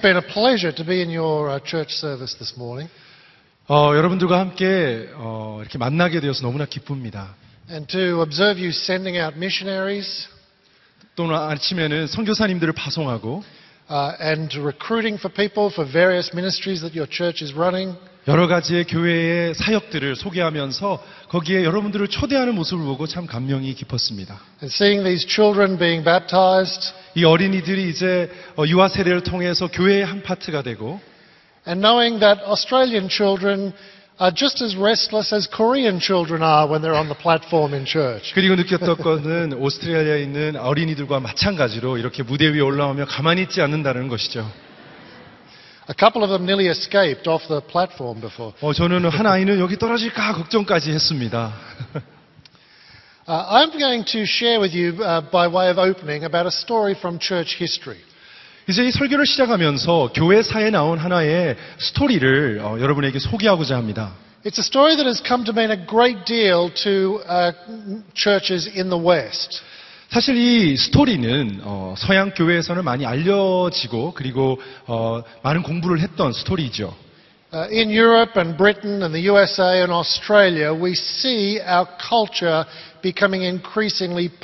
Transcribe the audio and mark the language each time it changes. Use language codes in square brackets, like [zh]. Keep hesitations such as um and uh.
[en] been a pleasure to be in your uh, church service this morning. [ko] 어, 여러분들과 함께 어, 이렇게 만나게 되어서 너무나 기쁩니다. [en] And to observe you sending out missionaries. [ko] 또는 아침에는 선교사님들을 파송하고. [en] and recruiting for people for various ministries that your church is running. [ko] 여러 가지의 교회의 사역들을 소개하면서 거기에 여러분들을 초대하는 모습을 보고 참 감명이 깊었습니다. [en] And seeing these children being baptized, [ko] 이 어린이들이 이제 유아 세례를 통해서 교회의 한 파트가 되고 [en] and knowing that Australian children are just as restless as Korean children are when they're on the platform in church. [ko] 그리고 느꼈던 것은 오스트리아에 있는 어린이들과 마찬가지로 이렇게 무대 위에 올라오면 가만히 있지 않는다는 것이죠. [en] A couple of them nearly escaped off the platform before. [ko] 어, 저는 한 아이는 여기 떨어질까 걱정까지 했습니다. uh, [en] I'm going to share with you uh, by way of opening about a story from church history. [ko] 이제 설교를 시작하면서 교회 사에 나온 하나의 스토리를 여러분에게 소개하고자 합니다. 사실 이 스토리는 서양 교회에서는 많이 알려지고 그리고 많은 공부를 했던 스토리죠. [en] In Europe and Britain and the USA and Australia, we see our culture becoming increasingly